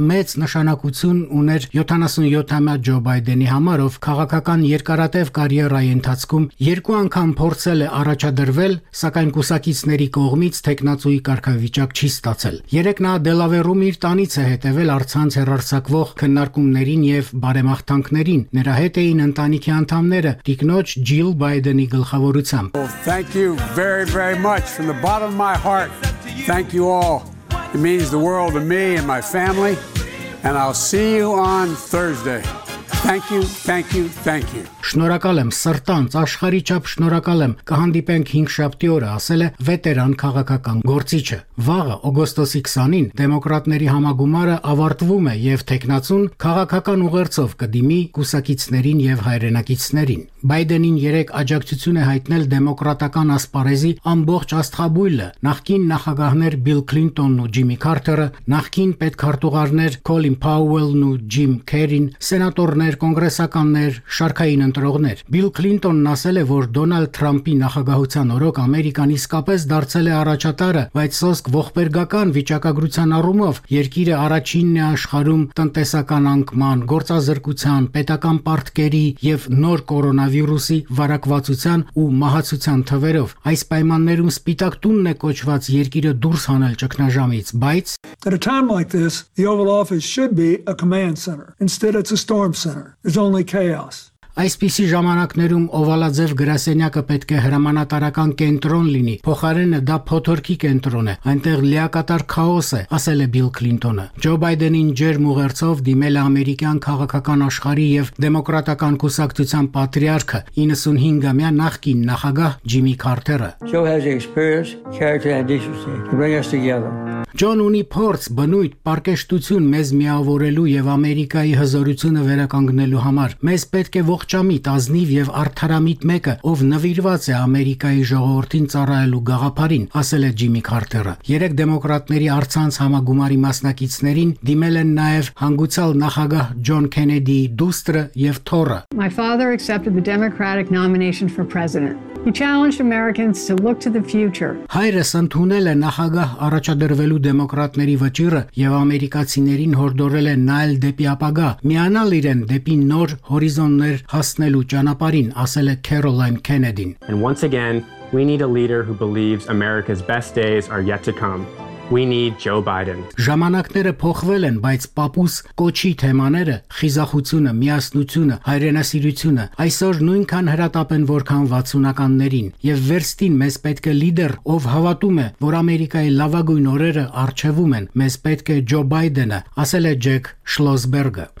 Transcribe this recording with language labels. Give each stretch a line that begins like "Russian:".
Armenian: մեծ նշանակություն ուներ 77-ամյա Ջո Բայդենի համար, ով քաղաքական երկարատև կարիերայի ընթացքում 2 անգամ փորձել է առաջադրվել, սակայն կուսակիցների կողմից թեկնածուի կարգավիճակ չի ստացել։ Երեկ նա Դելավերում իր տանից է հետևել առցանց հեռարձակվող քննարկումներին եւ բարեմաղթանքներին։ Նրա հետ էին ընտանիքի անդամները՝ տիկնոջ Ջիլ Բայդենի գլխավորությամբ։
English: Thank you all. It means the world to me and my family. And I'll see you on Thursday. Thank you.
Armenian: Շնորհակալ եմ սրտանց, աշխարհի չափ շնորհակալ եմ։ Կհանդիպենք 5-7 օրը, ասել է վետերան քաղաքական գործիչը։ Վաղը, օգոստոսի 20-ին, դեմոկրատների համագումարը ավարտվում է եւ թեկնածուն քաղաքական ուղերձով կդիմի կուսակիցներին եւ հայրենակիցներին։ Բայդենին 3 աջակցություն է հայտնել դեմոկրատական ասպարեզի ամբողջ աստղաբույլը՝ նախկին նախագահներ Բիլ Քլինտոնն ու Ջիմի Քարթերը, նախկին պետքարտուղարներ Քոլին Փաուելն ու Ջիմ Քերին, սենատորներ, կոնգրեսականներ, շարքային ընտրողներ։ Բիլ Քլինտոնն ասել է, որ Դոնալդ Թրամփի նախագահության օրոք Ամերիկան իսկապես դարձել է առաջատարը, բայց սոսկ ողբերգական վիճակագրության առումով երկիրը առաջինն է աշխարհում տնտեսական անկման, գործազրկության, պետական պարտքերի եւ նոր կորոնավիրուսի վարակվածության ու մահացության թվերով։ Այս պայմաններում Սպիտակ տունն է կոչված երկիրը դուրս հանել ճգնաժամից, բայց
English: At a time like this, the Oval Office should be a command center. Instead, it's a storm center. There's only chaos.
Armenian: Այսպիսի ժամանակներում օվալաձև գրասենյակը պետք է հրամանատարական կենտրոն լինի, փոխարենը դա փոթորկի կենտրոն է, այնտեղ լիակատար քաոս է, ասել է Բիլ Քլինտոնը։ Ջո Բայդենին ջերմ ուղերձով դիմել է ամերիկյան քաղաքական աշխարհի եւ դեմոկրատական կուսակցության պատրիարքը, 95-ամյա նախկին նախագահ Ջիմի Քարթերը։ Ջոն ունի փորձ, բնույթ, պարկեշտություն մեզ միավորելու եւ Ամերիկայի հզորությունը վերականգնելու համար։ Մեզ պետք է ողջամիտ, ազնիվ եւ արդարամիտ մեկը, ով նվիրված է Ամերիկայի ժողովրդին ծառայելու գաղափարին, ասել է Ջիմի Քարթերը։ 3 դեմոկրատների առցանց համագումարի մասնակիցներին դիմել են նաեւ հանգուցալ նախագահ Ջոն Քենեդի դուստրը եւ Թորը։
English: My father accepted the Democratic nomination for president. He challenged Americans to look to the future.
Armenian: Հայրս ընդունել է նախագահ առաջադրվելու դեմոկրատների վճիրը եւ ամերիկացիներին հորդորել է նայել դեպի ապագա, միանալ իրեն դեպի նոր հորիզոններ հասնելու ճանապարհին, ասել է Քերոլայն Քենեդին։
English: And once again, we need a leader who believes America's best days are yet to come. We need Joe Biden.
Armenian: Ժամանակները փոխվել են, բայց Պապուս կոչի թեմաները՝ խիզախությունը, միասնությունը, հայրենասիրությունը, այսօր նույնքան հրատապ են, որքան 60-ականներին, եւ վերստին մեզ պետք է լիդեր, ով հավատում է, որ Ամերիկայի լավագույն օրերը առջևում են, մեզ պետք է Ջո Բայդենը, ասել է Ջեք Շլոսբերգը։